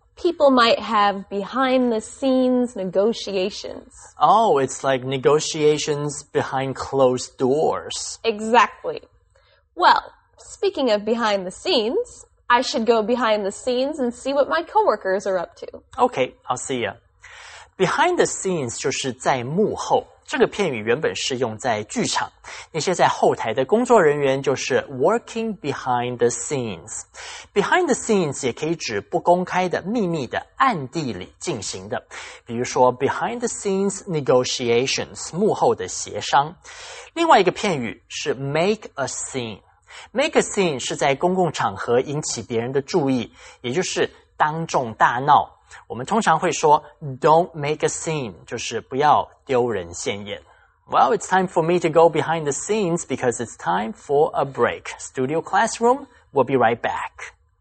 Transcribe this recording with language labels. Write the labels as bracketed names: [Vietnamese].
[English] People might have behind the scenes negotiations. Oh, it's like negotiations behind closed doors. Exactly. Well, speaking of behind the scenes, I should go behind the scenes and see what my coworkers are up to. Okay, I'll see ya. [Chinese] Behind the scenes 就是在幕后，这个片语原本是用在剧场，那些在后台的工作人员就是 [English] working behind the scenes. [Chinese] Behind the scenes 也可以指不公开的、秘密的、暗地里进行的，比如说 [English] behind the scenes negotiations, [Chinese] 幕后的协商。另外一个片语是 make a scene. Make a scene 是在公共场合引起别人的注意，也就是当众大闹。我们通常会说 [English] Don't make a scene, [Chinese] 就是不要丢人现眼。 [English] Well, it's time for me to go behind the scenes because it's time for a break. Studio Classroom, we'll be right back.